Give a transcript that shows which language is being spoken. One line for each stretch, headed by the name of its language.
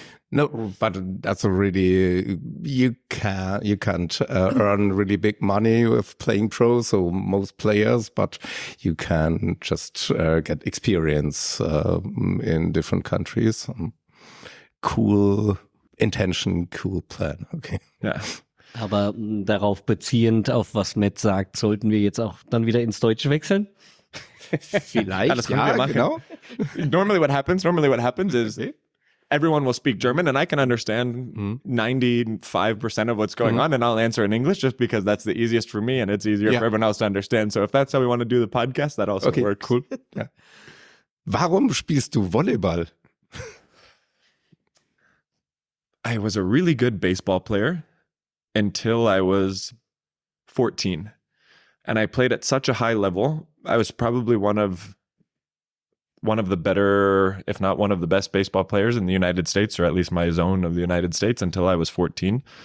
English: No, but that's a really, you can't earn really big money with playing pro, so most players, but you can just get experience in different countries. Cool intention, cool plan. Okay. Yeah.
German: Aber darauf beziehend, auf was Matt sagt, sollten wir jetzt auch dann wieder ins Deutsche wechseln? Vielleicht. Alles können wir machen. Genau.
English: Normally what happens is everyone will speak German and I can understand 95% of what's going on, and I'll answer in English just because that's the easiest for me and it's easier for everyone else to understand. So if that's how we want to do the podcast, that also works.
German: Cool. Ja. Warum spielst du Volleyball?
English: I was a really good baseball player until I was 14. And I played at such a high level. I was probably one of the better, if not one of the best baseball players in the United States, or at least my zone of the United States, until I was 14.